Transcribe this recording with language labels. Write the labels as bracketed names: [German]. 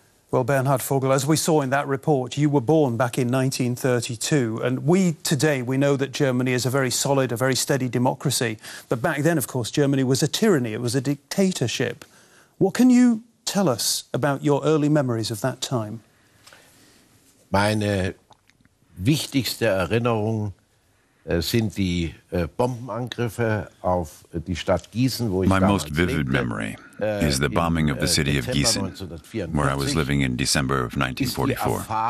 [English] Well, Bernhard Vogel, as we saw in that report, you were born back in 1932, and today we know that Germany is a very solid, a very steady democracy. But back then, of course, Germany was a tyranny, it was a dictatorship. What can you tell us about your early memories of that time? [German] Meine wichtigste Erinnerung sind die Bombenangriffe auf die Stadt Gießen, wo ich [English] My most vivid memory is the bombing of the city of Gießen, where I was living in December of 1944.